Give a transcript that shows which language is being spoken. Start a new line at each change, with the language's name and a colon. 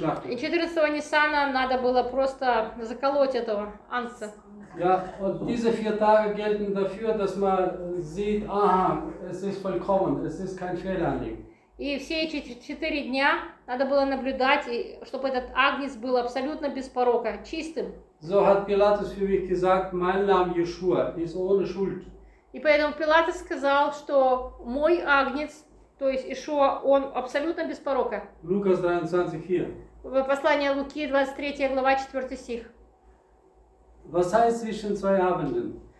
Russian: И 14 Нисана надо было просто заколоть этого ангца.
German: Ja, und diese 4 Tage gelten dafür, dass man sieht, aha, es ist vollkommen, es ist kein Fehler an ihm.
Russian: И все эти 4 дня надо было наблюдать, чтобы этот агнец был абсолютно без порока, чистым.
German: So hat Pilatus für mich gesagt, mein Lamm Yeshua ist ohne Schuld.
Russian: И поэтому Пилатус сказал, что мой агнец, то есть Ишуа, он абсолютно без порока. Лукас 23:4. Послание Луки 23 глава 4 стих.
German: Was heißt zwischen zwei Abenden?